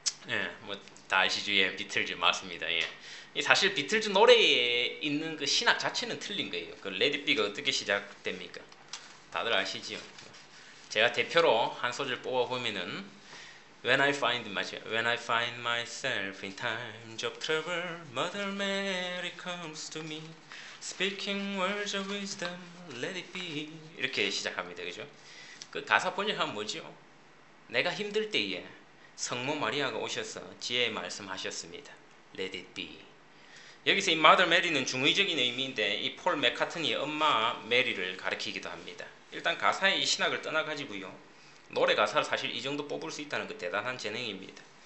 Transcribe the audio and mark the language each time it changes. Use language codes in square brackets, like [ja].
[ko] 예, 뭐다 아시죠? 예, 비틀즈 맞습니다. 예. 사실 비틀즈 노래에 있는 그 신학 자체는 틀린 거예요. 그 Let it be가 어떻게 시작됩니까? 다들 아시지요? 제가 대표로 한 소절 뽑아보면은 [en] When I find, [ko] 맞아요. [en] When I find myself in times of trouble, Mother Mary comes to me, speaking words of wisdom, let it be. [ko] 이렇게 시작합니다. 그죠? 그 가사 번역하면 뭐죠? 내가 힘들 때에 성모 마리아가 오셔서 지혜의 말씀하셨습니다. [en] Let it be. [ko] 여기서 이 Mother Mary는 중의적인 의미인데 이폴 매카트니의 엄마 메리를 가리키기도 합니다. 일단 가사의 이 신학을 떠나가지고요. 노래 가사를 사실 이 정도 뽑을 수 있다는 그 대단한 재능입니다.